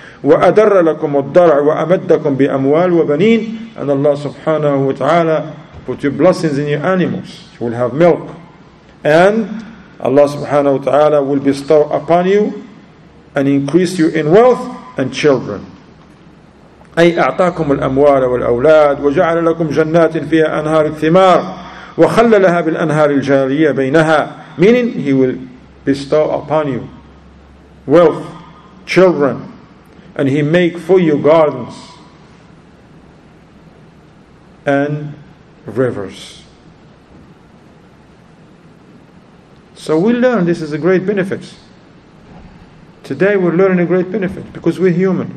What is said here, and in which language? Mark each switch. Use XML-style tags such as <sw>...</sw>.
<ar>وَأَدَرَّ لَكُمُ الضَّرَى وَأَمَدَّكُمْ بِأَمْوَالِ وَبَنِينَ.</ar> <en>And Allah subhanahu wa ta'ala put your blessings in your animals. You will have milk. And Allah subhanahu wa ta'ala will bestow upon you and increase you in wealth and children.</en> <ar>أي أعطاكم الأموال والأولاد وجعل لكم جنات فيها أنهار الثمار وخلل لها بالأنهار الجارية بينها.</ar> <en>Meaning, he will bestow upon you wealth, children, and he make for you gardens and rivers. So we learn this is a great benefit. Today we're learning a great benefit because we're human.</en>